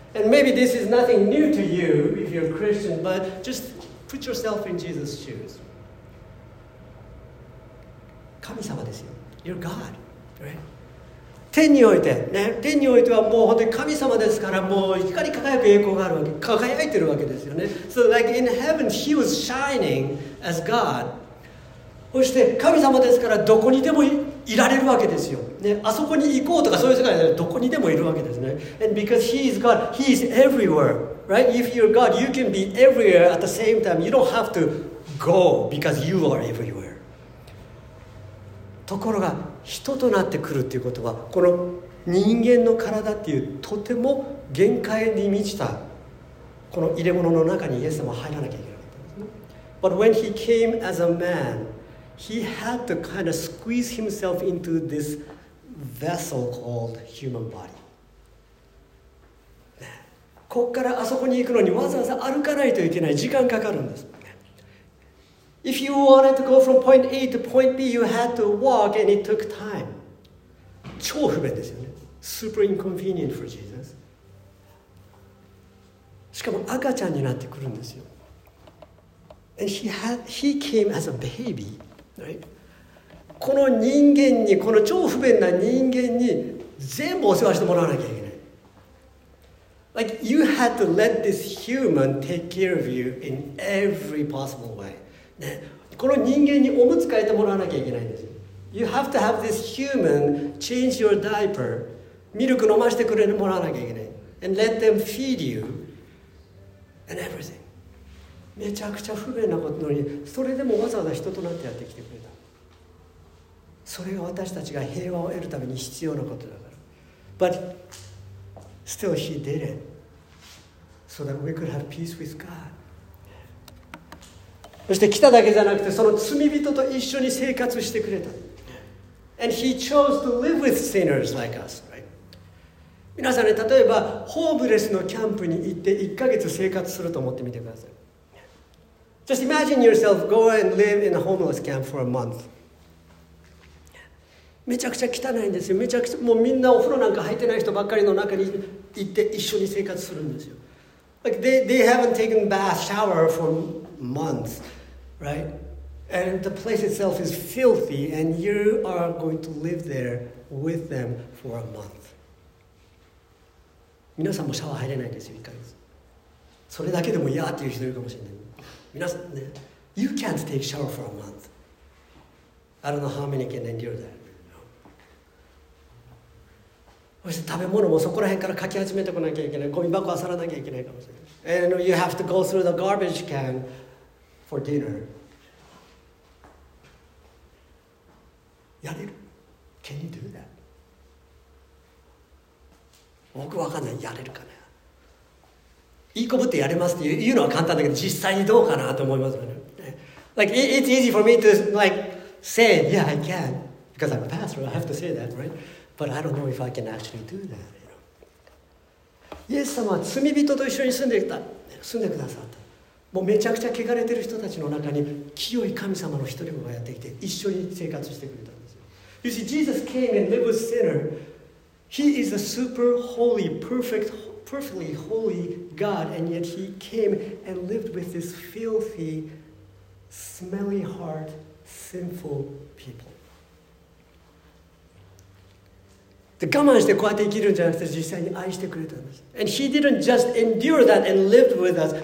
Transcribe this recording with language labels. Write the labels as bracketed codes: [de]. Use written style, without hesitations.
[en] And maybe this is nothing new to you if you're a Christian, but just put yourself in Jesus' shoes. [ja] 神様ですよ。 [en] You're God, right? [ja] 天においてね、天においてはもう本当に神様ですから、もう光り輝く栄光があるわけ、輝いてるわけですよね。 [en] So like in heaven, he was shining as God. [ja] そして神様ですから、どこにでも いられるわけですよ、ね。あそこに行こうとかそういう世界でどこにでもいるわけですね。 [en] And because he is God, he is everywhere, right? If you're God, you can be everywhere at the same time. You don't have to go because you are everywhere. [ja] ところが、人となってくるっていうことは、この人間の体っていうとても限界に満ちたこの入れ物の中にイエス様は入らなきゃいけなかったんですね。 [en] But when he came as a man, he had to kind of squeeze himself into this vessel called human body. [ja] こっからあそこに行くのにわざわざ歩かないといけない時間かかるんです。 [en] If you wanted to go from point A to point B, you had to walk and it took time. [ja] 超不便ですよね。 [en] Super inconvenient for Jesus. [ja] しかも赤ちゃんになってくるんですよ。 [en] And he came as a baby, right? [ja] この人間に、この超不便な人間に全部お世話してもらわなきゃいけない。 [en] Like, you had to let this human take care of you in every possible way. [ja] ね、この人間におむつ替えてもらわなきゃいけないんですよ。 [en] You have to have this human change your diaper. [ja] ミルク飲ましてくれてもらわなきゃいけない。 [en] And let them feed you and everything. [ja] めちゃくちゃ不便なことのに、それでもわざわざ人となってやってきてくれた。それが私たちが平和を得るために必要なことだから。 [en] But still he did it so that we could have peace with God. [ja] そして来ただけじゃなくて、その罪人と一緒に生活してくれた。 [en] And he chose to live with sinners like us, right? [ja] 皆さんね、例えばホームレスのキャンプに行って1ヶ月生活すると思ってみてください。 [en] Just imagine yourself go and live in a homeless camp for a month. [ja] めちゃくちゃ汚いんですよ。めちゃくちゃもうみんなお風呂なんか入ってない人ばっかりの中に行って一緒に生活するんですよ。 [en] Like they haven't taken bath, shower for months, right? And the place itself is filthy, and you are going to live there with them for a month. [ja] 皆さんもシャワー入れないんですよ、一ヶ月。それだけでも嫌っていう人いるかもしれない。皆さんね、 [en] you can't take shower for a month. I don't know how many can endure that. [ja] そして食べ物もそこら辺からかき集めてこなきゃいけない。ゴミ箱あさらなきゃいけないかもしれない。 [en] And you have to go through the garbage can for dinner. [ja] やれる? [en] Can you do that? [ja] 僕わかんない。やれるかな。言いこぶってやれますって言うのは簡単だけど、実際にどうかなと思いますよね。 [en] Like, it's easy for me to, like, say, yeah, I can, because I'm a pastor, I have to say that, right? But I don't know if I can actually do that. You know? [ja] イエス様は罪人と一緒に住んでいた、住んでくださった。もうめちゃくちゃ汚れてる人たちの中に清い神様の一人子がやってきて一緒に生活してくれたんですよ。 [en] You see, Jesus came and lived with sinner. He is a super holy, perfectly holy God, and yet he came and lived with this filthy, smelly heart, sinful people. [ja] で、我慢してこうやって生きるんじゃなくて実際に愛してくれたんです。 [en] And he didn't just endure that and lived with us.